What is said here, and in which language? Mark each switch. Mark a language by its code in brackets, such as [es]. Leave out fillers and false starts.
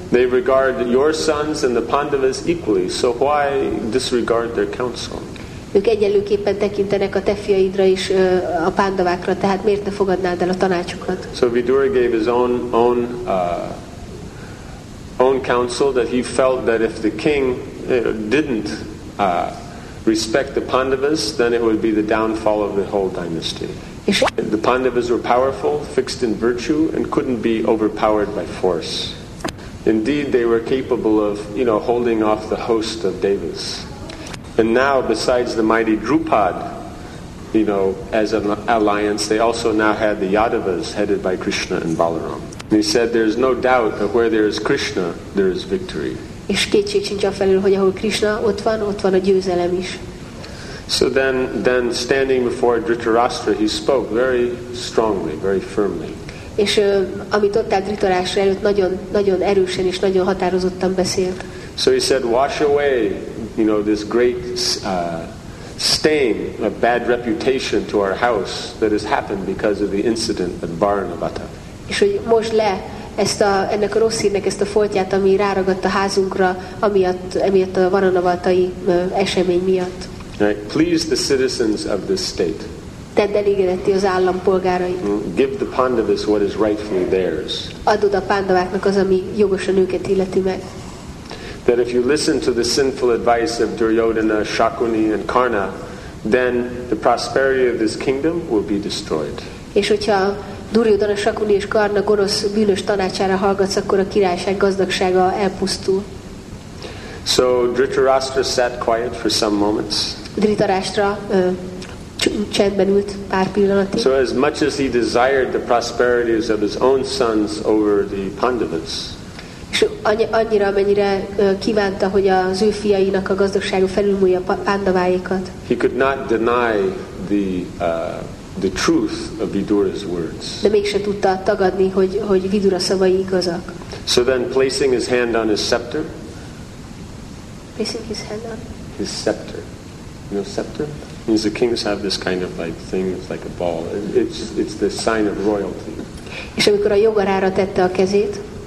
[en] They regard your sons and the Pandavas equally, so why disregard their counsel? [hu] Ők egyenlőképpen tekintenek a te fiaidra is, a Pandavákra, tehát miért ne fogadnád el a tanácsukat? [en] So Vidura gave his own counsel that he felt that if the king didn't respect the Pandavas, then it would be the downfall of the whole dynasty. The Pandavas were powerful, fixed in virtue, and couldn't be overpowered by force. Indeed, they were capable of, you know, holding off the host of Devas. And now, besides the mighty Drupad, you know, as an alliance, they also now had the Yadavas headed by Krishna and Balaram. And he said, there is no doubt that where there is Krishna, there is victory. [hu] És kétség sincs afelől, hogy ahol Krishna ott van a győzelem is. [en] So then standing before Dhritarashtra, he spoke very strongly, very firmly. [hu] És amit ott áll Dhritarashtra előtt, nagyon, nagyon erősen és nagyon határozottan beszélt. [en] So he said, wash away, you know, this great stain of bad reputation to our house that has happened because of the incident at Varanavata. [hu] És hogy most le ennek a rossz hírnek ezt a foltját, ami ráragadt a házunkra, emiatt a varanavatai esemény miatt. [en] Right. Please the citizens of this state. [hu] Tedd elégedetti az állampolgárai. [en] Give the Pandavas what is rightfully theirs. [hu] Adod a Pandaváknak az, ami jogosan őket illeti meg. [en] That if you listen to the sinful advice of Duryodhana, Shakuni and Karna, then the prosperity of this kingdom will be destroyed. [hu] És hogyha Duryodhana Shakuni és Karna gonosz bűnös tanácsára hallgatsz, akkor a királyság gazdagsága elpusztul. [en] So Dhritarashtra sat quiet for some moments. [hu] Dhritarashtra csendben ült pár pillanatig. [en] So as much as he desired the prosperities of his own sons over the Pandavas. [hu] És annyira, amennyire kívánta, hogy az ő fiainak a gazdagsága felülmúlja a Pandaváékat. [en] He could not deny the truth of Vidura's words. [hu] De mégse tudta tagadni, hogy Vidura szavai igazak. [en] So then placing his hand on his scepter. Placing his hand on his scepter. You know, scepter? Means the kings have this kind of like thing, it's like a ball. It's the sign of royalty. [hu] És amikor a jogarára tette a kezét.